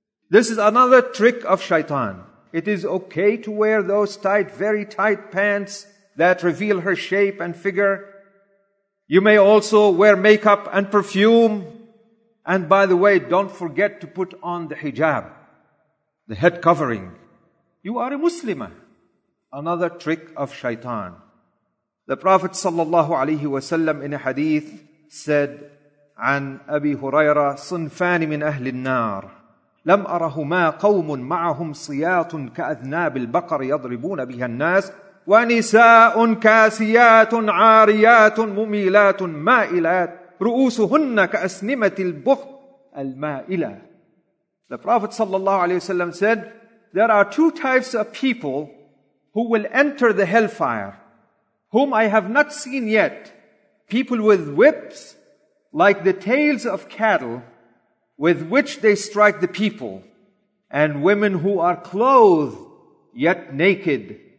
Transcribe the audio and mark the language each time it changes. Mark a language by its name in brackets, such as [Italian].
[English] This is another trick of shaitan. It is okay to wear those tight, very tight pants that reveal her shape and figure. You may also wear makeup and perfume. And by the way, don't forget to put on the hijab, the head covering. You are a Muslimah. Another trick of shaitan. The Prophet sallallahu alaihi wasallam in a hadith said, [Arabic] عن أبي هريرة صنفان من أهل النار لم أرهما قوم معهم صياط كأذناب البقر يضربون بها الناس ونساء كاسيات عاريات مميلات مائلات رؤوسهن كأسنمة البخت المائلة. [English] The Prophet sallallahu alaihi wasallam said, there are two types of people who will enter the hellfire, whom I have not seen yet. People with whips like the tails of cattle with which they strike the people, and women who are clothed yet naked.